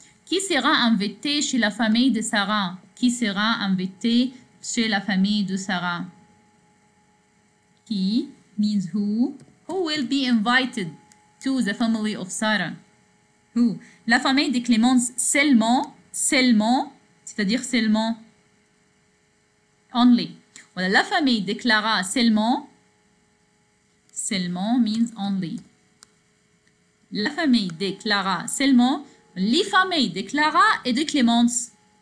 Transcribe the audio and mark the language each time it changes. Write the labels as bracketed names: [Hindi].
[French] Qui sera invité chez la famille de Sarah? Qui sera invité chez la famille de Sarah? [English] Qui means who? Who will be invited to the family of Sarah? Who? [French] La famille de Clémence seulement, c'est-à-dire seulement, only. Voilà, la famille de Clara seulement [English] means only. [French] La famille de Clara seulement, les familles de Clara et de Clémence.